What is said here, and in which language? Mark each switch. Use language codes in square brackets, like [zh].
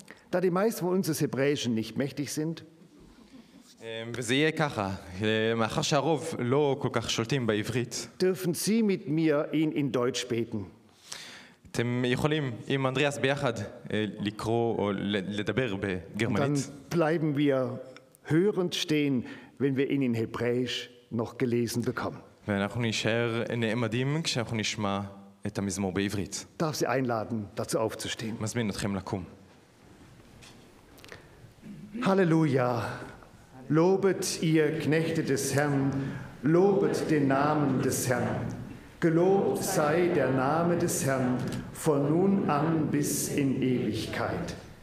[de] Da die meisten von uns des Hebräischen nicht mächtig sind, [he] וזה יהיה ככה, מאחר שהרוב לא כל כך שולטים בעברית. [de] Dürfen Sie mit mir ihn in Deutsch beten? [he] אתם יכולים עם אנדריאס ביחד לקרוא או לדבר בגרמנית. [de] Dann bleiben wir hörend stehen, wenn wir ihn in Hebräisch noch gelesen bekommen. [he] ואנחנו נשאר נעמדים כשאנחנו נשמע את המזמור בעברית. [de] Darf Sie einladen, dazu aufzustehen. [he] מזמין אתכם לקום. [de] Halleluja! Lobet ihr Knechte des Herrn, lobet den Namen des Herrn. Gelobt sei der Name des Herrn von nun an bis in Ewigkeit.